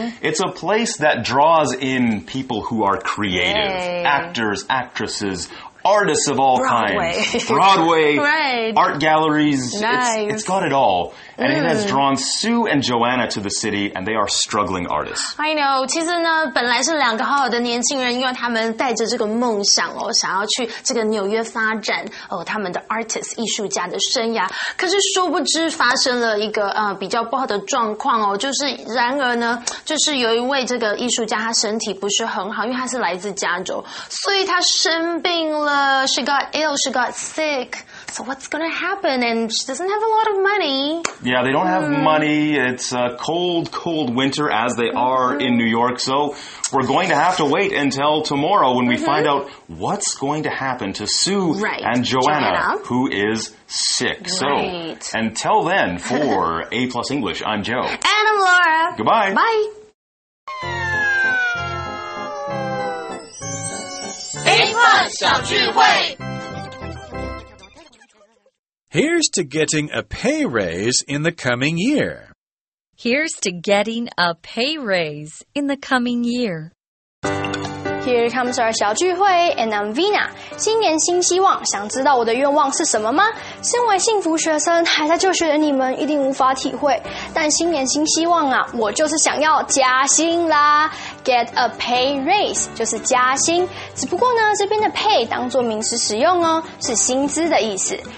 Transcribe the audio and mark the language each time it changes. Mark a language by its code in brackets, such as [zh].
[en] It's a place that draws in people who are creative. Actors, actresses, artists of all kinds. Broadway. Art galleries. Nice. It's got it all. And it has drawn Sue and Joanna to the city, and they are struggling artists. I know. [zh] 其实呢，本来是两个好好的年轻人，因为他们带着这个梦想哦，想要去这个纽约发展哦，他们的 artist 艺术家的生涯。可是殊不知发生了一个比较不好的状况哦，就是然而呢，就是有一位这个艺术家，他身体不是很好，因为他是来自加州，所以他生病了。 [en] She got ill. She got sick. So what's going to happen? And she doesn't have a lot of money. Yeah, they don't have money. It's a cold, cold winter as they are in New York. So we're going to have to wait until tomorrow when we find out what's going to happen to Sue and Joanna, who is sick. So until then, for A Plus English, I'm Joe. And I'm Laura. Goodbye. Bye. [zh] A Plus 小聚会 [en] Here's to getting a pay raise in the coming year. Here's to getting a pay raise in the coming year. Here comes our 小聚会 and I'm Vina. [zh] 新年新希望，想知道我的愿望是什么吗？身为幸福学生，还在就学的你们一定无法体会。但新年新希望啊，我就是想要加薪啦。 [en] Get a pay raise [zh] 就是加薪，只不过呢，这边的 pay 当作名词使用哦，是薪资的意思。